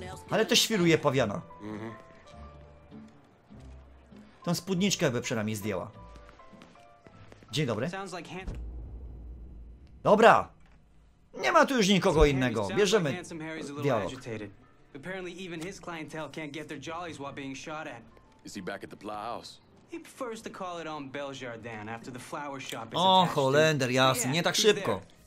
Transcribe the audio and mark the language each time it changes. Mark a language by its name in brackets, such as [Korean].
[Polish] Ale to świruje pawiana. Tą spódniczkę by przynajmniej zdjęła. Dzień dobry. Dobra. Nie ma tu już nikogo innego. Bierzemy dialog. [English] Apparently even his clientele can't get their jollies while being shot at. Is he back at the Plow House? He prefers to call it on Beljardin after the flower shop. [Polish] O, Holender, jasny, nie tak szybko.